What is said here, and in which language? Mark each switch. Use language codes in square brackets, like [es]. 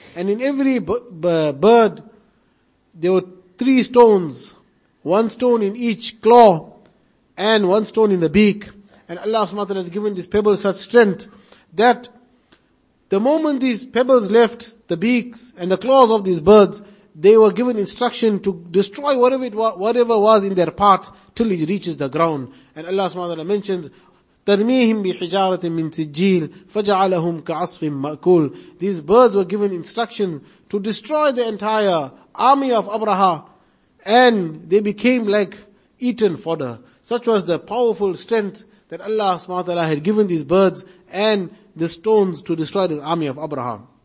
[en] And in every bird, there were three stones, one stone in each claw and one stone in the beak. And Allah subhanahu wa ta'ala had given these pebbles such strength that the moment these pebbles left the beaks and the claws of these birds, they were given instruction to destroy whatever it was, whatever was in their path till it reaches the ground. And Allah subhanahu wa ta'ala mentions, [ar] تَرْمِيهِمْ بِحِجَارَةٍ مِّن سِجِّيلٍ فَجَعَلَهُمْ كَعَصْفٍ مَأْكُولٍ. [en] These birds were given instructions to destroy the entire army of Abraha, and they became like eaten fodder. Such was the powerful strength that Allah subhanahu wa ta'ala had given these birds and the stones to destroy the army of Abraha.